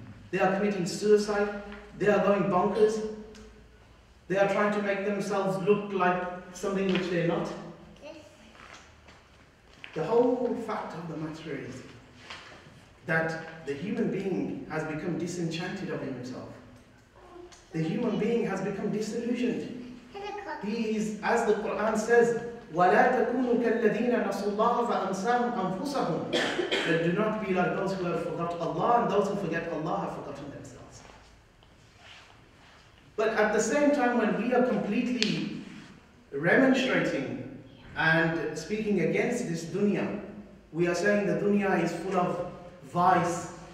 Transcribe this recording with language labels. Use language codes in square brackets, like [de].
[en] They are committing suicide. They are going bonkers. They are trying to make themselves look like something which they're not. The whole fact of the matter is that the human being has become disenchanted of himself. The human being has become disillusioned. He is, as the Quran says, [ar] وَلَا تَكُونُوا كَالَّذِينَ نَسُوا اللَّهَ فَأَنْسَاهُمْ أَنفُسَهُمْ. [en] That do not be like those who have forgotten Allah, and those who forget Allah have forgotten themselves. But at the same time, when we are completely remonstrating and speaking against this dunya, we are saying the dunya is full of vice.